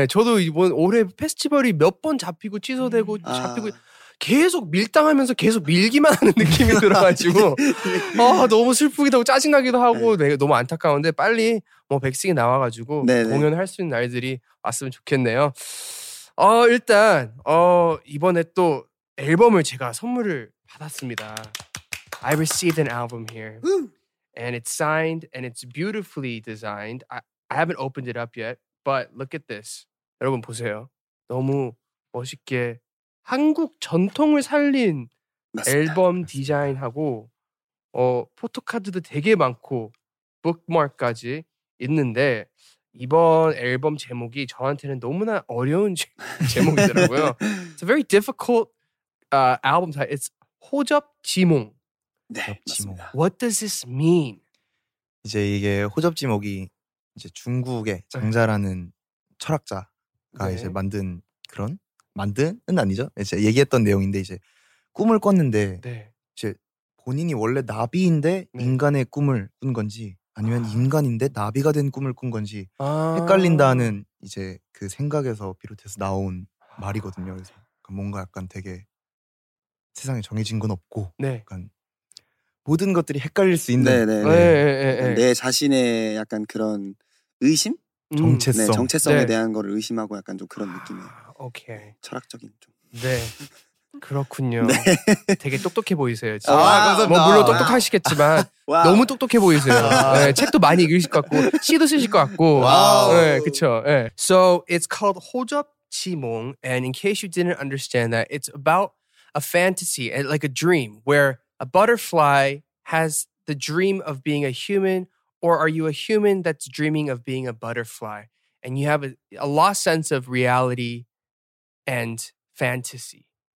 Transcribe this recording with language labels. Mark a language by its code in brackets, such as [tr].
[ko] 예, 저도 이번 올해 페스티벌이 몇 번 잡히고 취소되고 잡히고 계속 밀당하면서 계속 밀기만 하는 느낌이 들어가지고 아 너무 슬프기도 하고 짜증나기도 하고 네. 너무 안타까운데 빨리 뭐 백승이 나와가지고 네네. 공연할 수 있는 날들이 왔으면 좋겠네요. 일단 이번에 또 앨범을 제가 선물을 받았습니다. [en] I received an album here. And it's signed and it's beautifully designed. I haven't opened it up yet. But look at this. [ko] 여러분 보세요. 너무 멋있게 한국 전통을 살린 맞습니다. 앨범 디자인하고 포토카드도 되게 많고 북마크까지 있는데 이번 앨범 제목이 저한테는 너무나 어려운 제목이더라고요. [en] It's a very difficult album title. It's 호접 지몽. [ko] 네, 지몽. [en] What does this mean? [ko] 이제 이게 호접 지몽이 이제 중국의 장자라는 철학자가 네. 이제 만든 그런 만든은 아니죠. 이제 얘기했던 내용인데 이제 꿈을 꿨는데 네. 이제 본인이 원래 나비인데 네. 인간의 꿈을 꾼 건지 아니면 인간인데 나비가 된 꿈을 꾼 건지 헷갈린다는 이제 그 생각에서 비롯해서 나온 말이거든요. 그래서 뭔가 약간 되게 세상에 정해진 건 없고 네. 약간 모든 것들이 헷갈릴 수 있는 네. 네. 내 자신의 약간 그런 의심? 정체성. 네, 정체성에 네. 대한 걸 의심하고 약간 좀 그런 느낌이에요. 오케이. 철학적인 좀. 네. 그렇군요. 네. 되게 똑똑해 보이세요. 진짜. 아, 감사합니다. 뭐 물론 똑똑하시겠지만 와. 너무 똑똑해 보이세요. 네, 책도 많이 읽으실 것 같고 시도 쓰실 것 같고. 와우. 네, 그렇죠. 네. [en] So it's called 호접 지몽 and in case you didn't understand that it's about a fantasy like a dream where a butterfly has the dream of being a human. Or are you a human that's dreaming of being a butterfly? And you have a lost sense of reality and fantasy.